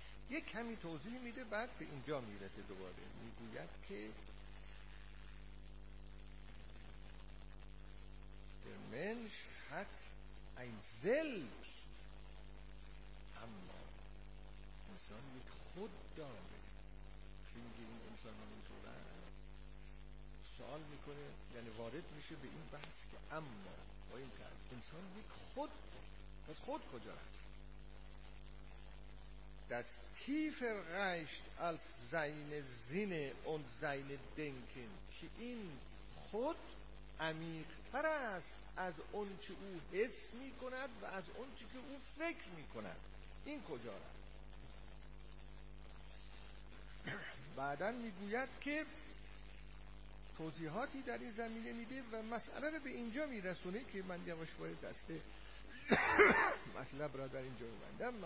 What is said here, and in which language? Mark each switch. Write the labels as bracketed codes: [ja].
[fa] یک کمی توضیح میده، بعد به اینجا میرسه. دوباره میگوید که در منش حت این زلست، اما انسان یک خود داره. چون که این انسان همون طورن سوال میکنه، یعنی وارد میشه به این بحث که اما با این طرف انسان یک خود داره. پس خود کجا رفت؟ [de] Das tiefer reicht als seine Sinne und seine Denken. [fa] که این خود عمیق‌تر است از اون چه او حس می کند و از اون چه که او فکر می کند. این کجا رفت؟ بعدن می گوید که توضیحاتی در این زمینه می ده و مسئله رو به اینجا می رسونه که من یواش باید دسته مطلب را در اینجا می‌بندم.